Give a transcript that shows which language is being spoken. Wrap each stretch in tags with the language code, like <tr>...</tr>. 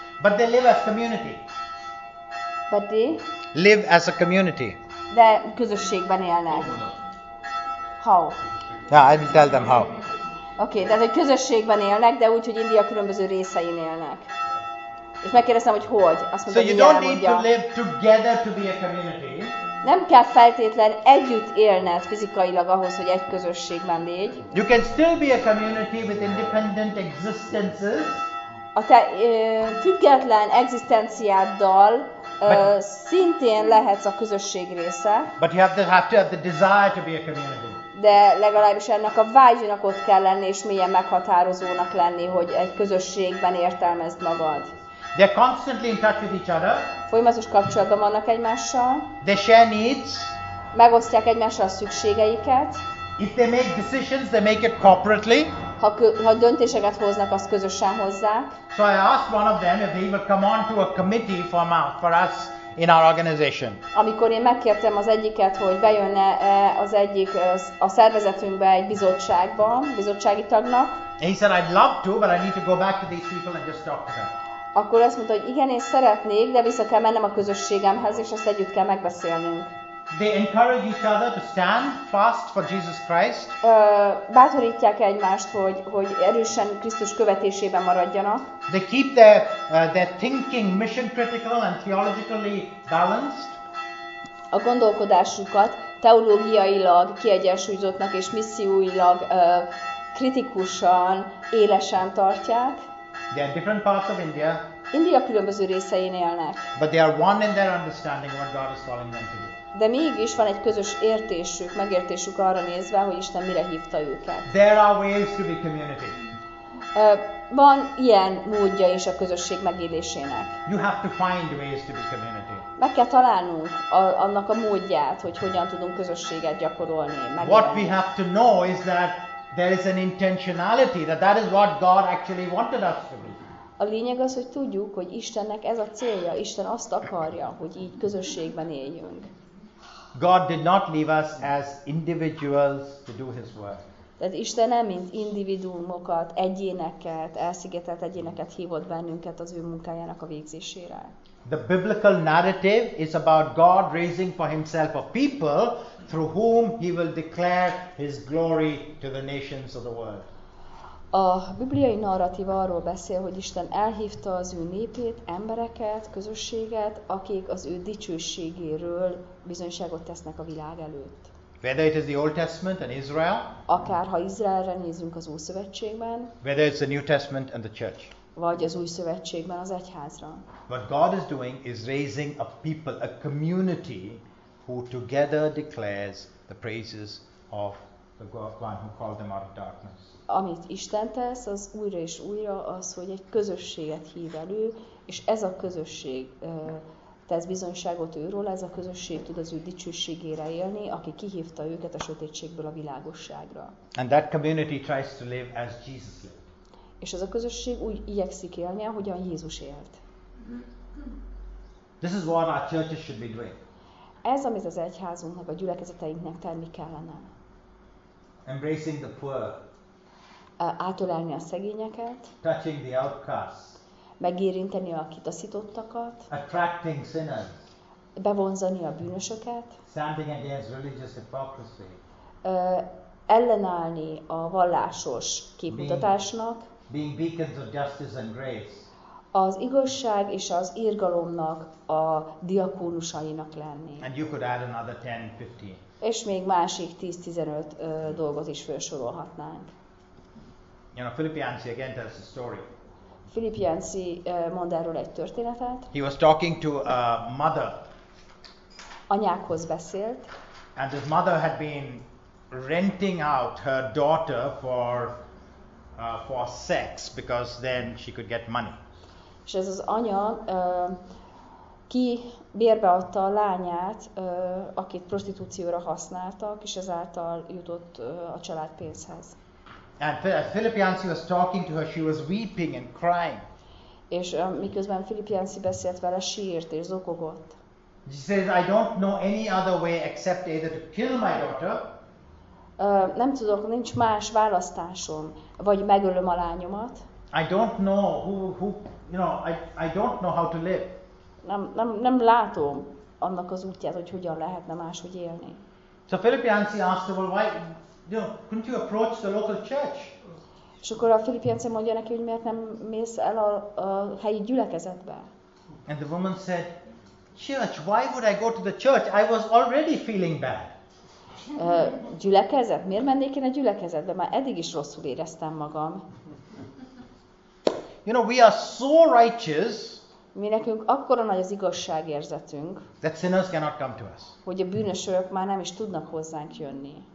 <en>But they live as community. But they live as a community.</en> <hu>De közösségben élnek.</hu> <en>How? Yeah, I will tell them how.</en> <hu>Okay, tehát egy közösségben élnek, de úgy, hogy India különböző részein élnek. És megkérdeztem, hogy hogy? Azt mondta,</hu> <en>so you don't need to live together to be a community.</en> <hu>Nem kell feltétlen együtt élned fizikailag ahhoz, hogy egy közösségben légy.</hu> <en>You can still be a community with independent existences.</en> <hu>A te független egzisztenciáddal szintén lehetsz a közösség része.</hu> <en>But you have to have the desire to be a community.</en> <hu>De legalábbis ennek a vágynak ott kell lenni, és milyen meghatározónak lenni, hogy egy közösségben értelmezd magad.</hu> <en>They're constantly in touch with each other.</en> <hu>Folyamatos kapcsolatban vannak egymással.</hu> <en>They share needs.</en> <hu>Megosztják egymással a szükségeiket.</hu> <en>If they make decisions, they make it corporately.</en> <hu>Ha döntéseket hoznak, azt közösen hozzák.</hu> <en>So I asked one of them if he would come on to a committee for us in our organization.</en> <hu>Amikor én megkértem az egyiket, hogy bejönne az egyik a szervezetünkbe egy bizottságban, bizottsági tagnak.</hu> <en>And he said I'd love to, but I need to go back to these people and just talk to them.</en> <hu>Akkor azt mondta, hogy igen, én szeretnék, de vissza kell mennem a közösségemhez, és ezt együtt kell megbeszélnünk.</hu> <en>They encourage each other to stand fast for Jesus Christ.</en> <hu>Bátorítják egymást, hogy erősen Krisztus követésében maradjanak.</hu> <en>They keep their thinking mission critical and theologically balanced.</en> <hu>A gondolkodásukat teológiailag kiegyensúlyozottnak és missziúilag kritikusan, élesen tartják.</hu> <en>They are different parts of India.</en> <hu>India különböző részein élnek.</hu> <en>But they are one in their understanding what God is calling them to do.</en> <hu>De mégis van egy közös értésük, megértésük arra nézve, hogy Isten mire hívta őket.</hu> <en>There are ways to be community.</en> <hu>Van ilyen módja is a közösség megélésének.</hu> <en>You have to find ways to be community.</en> <hu>Meg kell találnunk annak a módját, hogy hogyan tudunk közösséget gyakorolni, megélni.</hu> <en>What we have to know is that there is an intentionality, that is what God actually wanted us to be.</en> <hu>A lényeg az, hogy tudjuk, hogy Istennek ez a célja, Isten azt akarja, hogy így közösségben éljünk.</hu> <en>God did not leave us as individuals to do his work.</en> <hu>Tehát Isten nem mint individuumokat, egyéneket, elszigetelt egyéneket hívott bennünket az ő munkájának a végzésére.</hu> <en>The biblical narrative is about God raising for himself a people through whom he will declare his glory to the nations of the world.</en> <hu>A bibliai narratíva arról beszél, hogy Isten elhívta az ő népét, embereket, közösséget, akik az ő dicsőségéről bizonyságot tesznek a világ előtt.</hu> <en>Whether it is the Old Testament and Israel,</en> <hu>akár ha Izraelre nézünk az Új Szövetségben,</hu> <en>whether it's the New Testament and the Church,</en> <hu>vagy az Új Szövetségben az egyházra.</hu> <en>What God is doing is raising a people, a community, who together declares the praises of the one who called them out of darkness.</en> <hu>Amit Isten tesz, az újra és újra az, hogy egy közösséget hív elő, és ez a közösség tesz bizonyságot őről, ez a közösség tud az ő dicsőségére élni, aki kihívta őket a sötétségből a világosságra.</hu> <en>And that community tries to live as Jesus lived.</en> <hu>És ez a közösség úgy igyekszik élni, ahogyan Jézus élt.</hu> <en>This is what our churches should be doing.</en> <hu>Ez, amit az egyházunknak, a gyülekezeteinknek tenni kellene.</hu> <en>Embracing the poor.</en> <hu>átölelni a szegényeket,</hu> <en>touching the outcasts,</en> <hu>megérinteni a kitaszítottakat,</hu> <en>attracting sinners,</en> <hu>bevonzani a bűnösöket,</hu> <en>standing against religious hypocrisy,</en> <hu>ellenállni a vallásos képmutatásnak,</hu> <en>being beacons of justice and grace,</en> <hu>az igazság és az irgalomnak a diakónusainak lenni.</hu> <en>And you could add another 10-15.</en> <hu>És még másik 10-15 dolgot is felsorolhatnánk.</hu> <en>You know, Filippiánci again tells a story.</en> <hu>Filippiánci mond erről egy történetet.</hu> <en>He was talking to a mother.</en> <hu>Anyákhoz beszélt.</hu> <en>And his mother had been renting out her daughter for sex, because then she could get money.</en> <hu>És ez az anya ki bérbe adta a lányát, akit prostitúcióra használtak, és ezáltal jutott a család pénzhez.</hu> <en>And Philip Yancey was talking to her, she was weeping and crying.</en> <hu>És miközben Philip Yancey beszélt vele, sírt és zokogott.</hu> <en>She says, I don't know any other way except either to kill my daughter.</en> <hu>Nem tudok, nincs más választásom, vagy megölöm a lányomat.</hu> <en>I don't know who you know, I don't know how to live.</en> <hu>Nem látom annak az útját, hogy hogyan lehetne máshogy élni.</hu> <en>So Philip Yancey asked her, well, why, you know, couldn't you approach the local church?</en> <hu>És akkor a Philip Yancey mondja neki, hogy miért nem mész el a helyi gyülekezetbe?</hu> <en>And the woman said, church, why would I go to the church? I was already feeling bad.</en> <hu>Gyülekezet? Miért mennék én a gyülekezetbe? Már eddig is rosszul éreztem magam. You know, we are so righteous. Mi nekünk akkora nagy az igazságérzetünk. That sinners cannot come to us. Hogy a bűnösök már nem is tudnak hozzánk jönni.</hu>